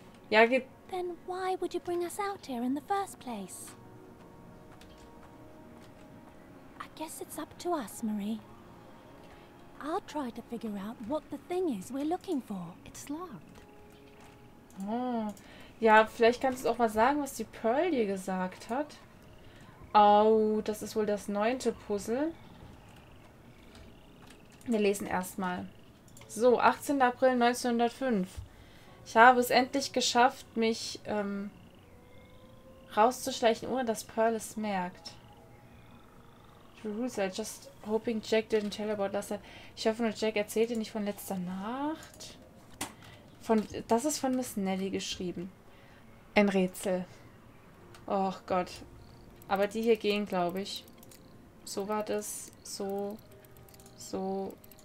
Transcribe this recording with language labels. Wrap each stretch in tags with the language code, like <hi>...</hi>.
<en>Then why would you bring us out here in the first place? I guess it's up to us, Marie. I'll try to figure out what the thing is we're looking for. It's locked. Oh.</en> <de>Ja, vielleicht kannst du auch mal sagen, was die Pearl dir gesagt hat. Oh, das ist wohl das neunte Puzzle. Wir lesen erstmal. So, 18. April 1905. Ich habe es endlich geschafft, mich rauszuschleichen, ohne dass Pearl es merkt.</de> <en>Jerusalem, just hoping Jack didn't tell about last night.</en> <de>Ich hoffe nur, Jack erzählte nicht von letzter Nacht. Das ist von Miss Nelly geschrieben. Ein Rätsel. Och Gott. Aber die hier gehen, glaube ich. So war das. So. So.</de>